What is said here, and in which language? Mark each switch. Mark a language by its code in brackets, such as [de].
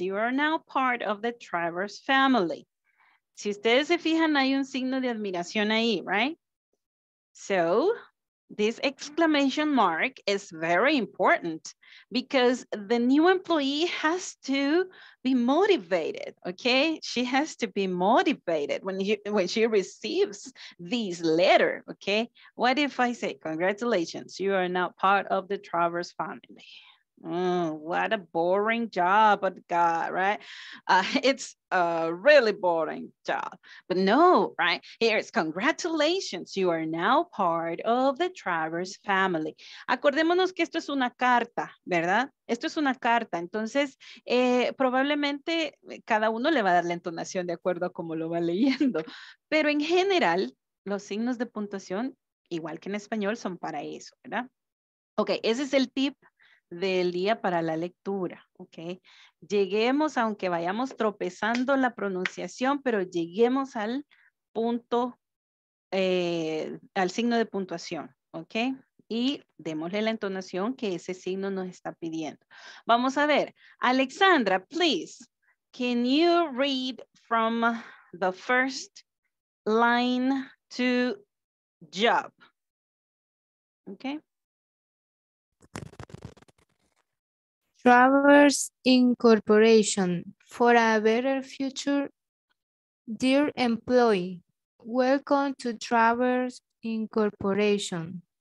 [en] You are now part of the Traverse family. [es] Si ustedes se fijan, hay un signo de admiración ahí, right? [en] So this exclamation mark is very important because the new employee has to be motivated, okay? She has to be motivated when she receives this letter, okay? What if I say, congratulations, you are now part of the Travers family? What a boring job, but God, right? It's a really boring job, but no, right? Here's congratulations. You are now part of the Travers family. [es] Acordémonos que esto es una carta, ¿verdad? Esto es una carta. Entonces, probablemente cada uno le va a dar la entonación de acuerdo a cómo lo va leyendo. Pero en general, los signos de puntuación, igual que en español, son para eso, ¿verdad? Ok, ese es el tip del día para la lectura, ¿ok? Lleguemos, aunque vayamos tropezando la pronunciación, pero lleguemos al punto, al signo de puntuación, ¿ok? Y démosle la entonación que ese signo nos está pidiendo. Vamos a ver, [en] Alexandra, please, can you read from the first line to job? ¿Ok? Travers Incorporation, for a better future, dear employee, welcome to Travers Incorporation.